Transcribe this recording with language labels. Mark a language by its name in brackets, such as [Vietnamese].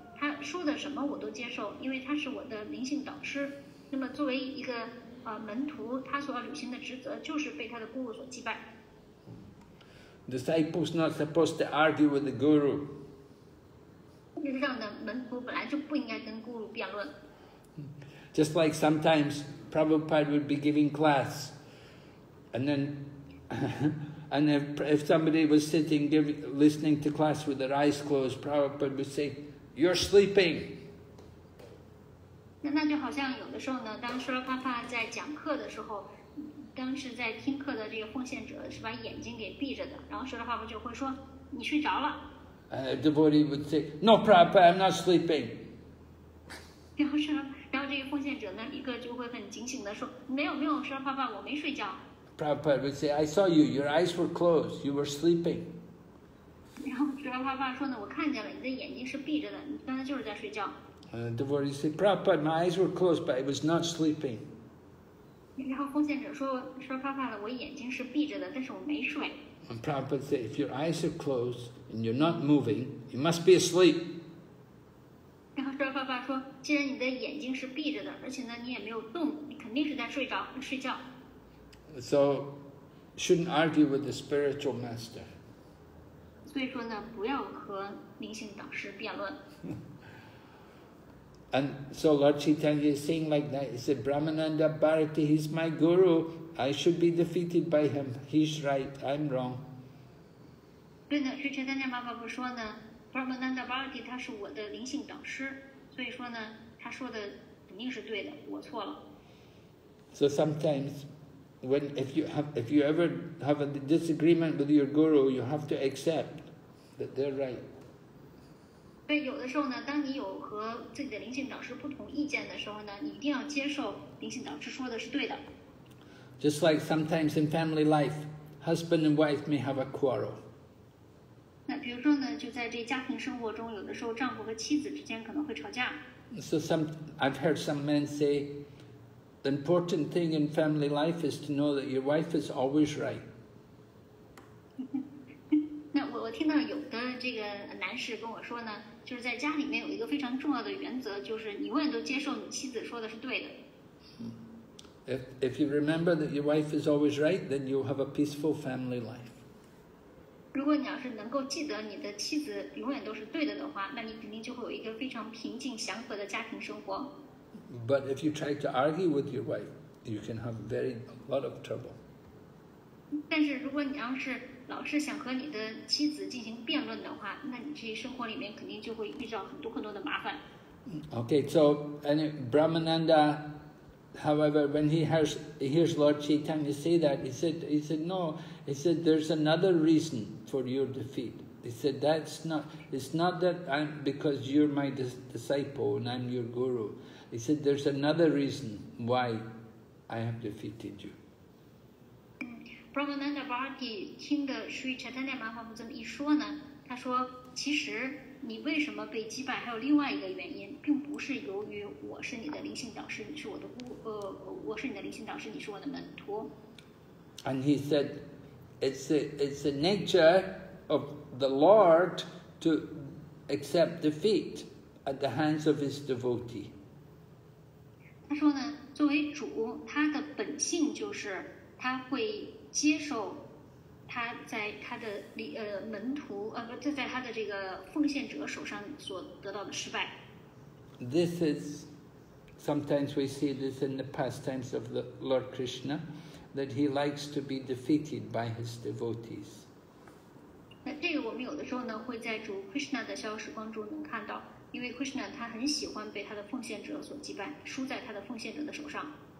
[Chinese] 他说的什么我都接受，因为他是我的灵性导师。那么作为一个门徒，他所要履行的职责就是被他的姑姑所击败。 [English] Disciple's not supposed to argue with the guru. [Chinese] 这样的门徒本来就不应该跟姑姑辩论。 [English] Just like sometimes Prabhupada would be giving class, and then. And if somebody was sitting listening to class with their eyes closed, Prabhupada would say, "You're sleeping." [Chinese] 那就好像有的时候呢，当舍帕帕在讲课的时候，当时在听课的这个奉献者是把眼睛给闭着的，然后舍帕帕就会说，你睡着了。 [English] Devotee would say, "No, Prabhupada, I'm not sleeping." [Chinese] 然后这个奉献者呢，一个就会很警醒的说，没有，舍帕帕，我没睡觉。 [English] Prabhupada would say, I saw you, your eyes were closed, you were sleeping. [Chinese] 然后舍帕帕说呢，我看见了，你的眼睛是闭着的，你刚才就是在睡觉。 [English] And the devotee would say, Prabhupada, my eyes were closed, but I was not sleeping. [Chinese] 然后奉献者说，舍帕帕呢，我眼睛是闭着的，但是我没睡。 [English] And Prabhupada would say, if your eyes are closed and you're not moving, you must be asleep. [Chinese] 然后舍帕帕说，既然你的眼睛是闭着的，而且呢，你也没有动，你肯定是在睡觉。 [English] So, shouldn't argue with the spiritual master. [Chinese] 所以说呢，不要和灵性导师辩论。 [English] And so Lord Chaitanya is saying like that. He said, "Brahmananda Bharati, he's my guru. I should be defeated by him. He's right. I'm wrong." [Chinese] 对呢，是 Chaitanya Mahaprabhu 说呢 ，Brahmananda Bharati 他是我的灵性导师，所以说呢，他说的肯定是对的，我错了。 [English] So sometimes. when if you ever have a disagreement with your guru, you have to accept that they're right. [Chinese] 对，有的时候呢，当你有和自己的灵性导师不同意见的时候呢，你一定要接受灵性导师说的是对的。 [English] Just like sometimes in family life, husband and wife may have a quarrel. [Chinese] 那比如说呢，就在这家庭生活中，有的时候丈夫和妻子之间可能会吵架。 [English] So I've heard some men say, the important thing in family life is to know that your wife is always right. [Chinese] 那我听到有的这个男士跟我说呢，就是在家里面有一个非常重要的原则，就是你永远都接受你妻子说的是对的。 [English] If you remember that your wife is always right, then you have a peaceful family life. [Chinese] 如果你要是能够记得你的妻子永远都是对的的话，那你肯定就会有一个非常平静祥和的家庭生活。 [English] But if you try to argue with your wife, you can have a lot of trouble. [Chinese] 但是如果你要是老是想和你的妻子进行辩论的话，那你这生活里面肯定就会遇到很多很多的麻烦。 [English] Okay, so Brahmananda, however, when he hears Lord Chaitanya say that, he said, there's another reason for your defeat. He said, it's not that I'm, because you're my disciple and I'm your guru. He said, there's another reason why I have defeated you. [Chinese] Brahmananda Bharati 听的 Sri Chaitanya Mahaprabhu 这么一说呢，他说其实你为什么被击败还有另外一个原因，并不是由于我是你的灵性导师，你是我的我是你的灵性导师，你是我的门徒。 [English] And he said, it's the nature of the Lord to accept defeat at the hands of his devotee. [Chinese] 他说呢，作为主，他的本性就是他会接受他在他的门徒在他的这个奉献者手上所得到的失败。 [English] This is sometimes we see this in the pastimes of the Lord Krishna, that he likes to be defeated by his devotees. [Chinese] 那这个我们有的时候呢会在主 Krishna 的逍遥时光中能看到，因为 Krishna 他很喜欢被他的奉献者所击败，输在他的奉献者的手上。